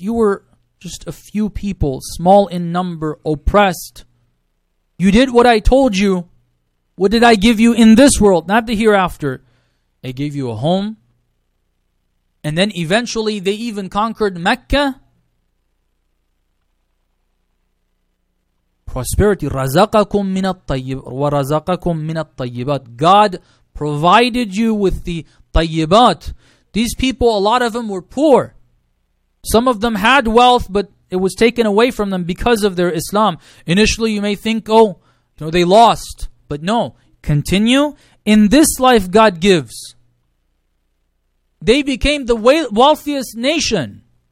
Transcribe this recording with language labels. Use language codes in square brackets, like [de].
[en] You were just a few people, small in number, oppressed. You did what I told you. What did I give you in this world? Not the hereafter. I gave you a home. And then eventually they even conquered Mecca. Prosperity. [ar] رَزَقَكُمْ مِنَ الطَّيِّبَاتِ وَرَزَقَكُمْ مِنَ الطَّيِّبَاتِ [en] God provided you with the [ar] طَيِّبَاتِ. [en] These people, a lot of them were poor. Some of them had wealth, but it was taken away from them because of their Islam. Initially, you may think, oh, you know, they lost. But no, continue. In this life, God gives. They became the wealthiest nation.